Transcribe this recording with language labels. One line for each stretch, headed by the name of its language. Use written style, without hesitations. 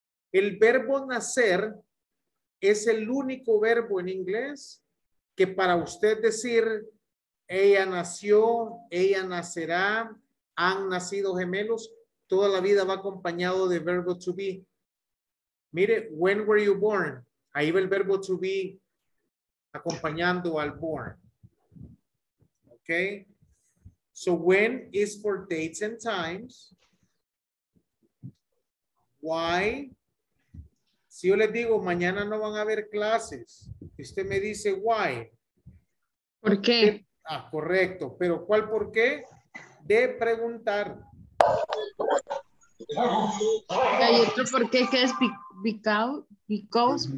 Spanish: El verbo nacer es el único verbo en inglés que para usted decir, ella nació, ella nacerá, han nacido gemelos, toda la vida va acompañado de verbo to be. Mire,
English: when were you born?
Spanish: Ahí va el verbo to be acompañando al born.
English: Okay, so when is for dates and times. Why
Spanish: Si yo les digo mañana no van a haber clases, usted me dice why. ¿Por qué? Ah, correcto. Pero ¿cuál por qué? De preguntar. Hay otro por qué que es because.